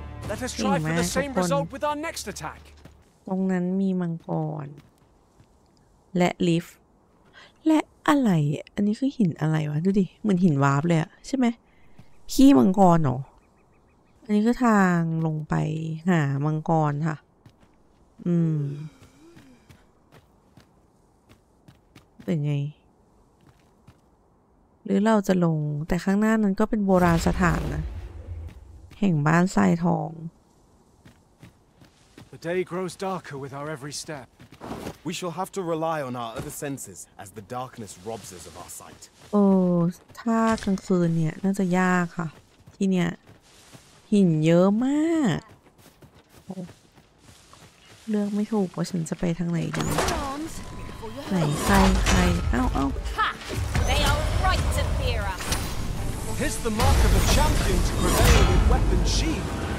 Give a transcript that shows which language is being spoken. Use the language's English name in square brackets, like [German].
[English] Let us try for the same result with our next attack. [Thai] ตรงนั้นมีมังกรและลิฟต์และอะไรอันนี้คือหินอะไรวะดูดิเหมือนหินวาร์ปเลยอะใช่ไหมขี้มังกรเหรออันนี้คือทางลงไปหามังกรค่ะเป็นไงหรือเราจะลงแต่ข้างหน้านั้นก็เป็นโบราณสถานนะแห่งบ้านทรายทอง [English] The day grows darker with our every step. We shall have to rely on our other senses as the darkness robs us of our sight. [Thai] โอ้ถ้ากลางคืนเนี่ยน่าจะยากค่ะที่เนี่ยหินเยอะมากเลือกไม่ถูกว่าฉันจะไปทางไหนดีไหนใครใครเอ้า [English] They are right to fear us. Here's the mark of a champion to prevail with weapon sheath.